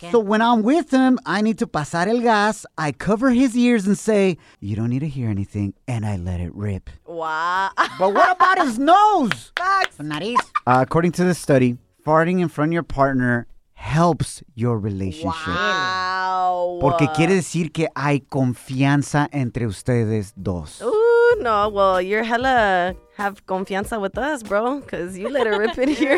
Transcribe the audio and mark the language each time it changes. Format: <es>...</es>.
<en>So when I'm with him, I need to</en> <es>pasar el gas.</es> <en>I cover his ears and say, you don't need to hear anything, and I let it rip. Wow. But what about his nose? Facts. According to this study, farting in front of your partner helps your relationship. Wow.</en> <es>Porque quiere decir que hay confianza entre ustedes dos.</es> <en>Ooh, no. Well, you're hella have confianza with us, bro, because you let her rip it here.</en>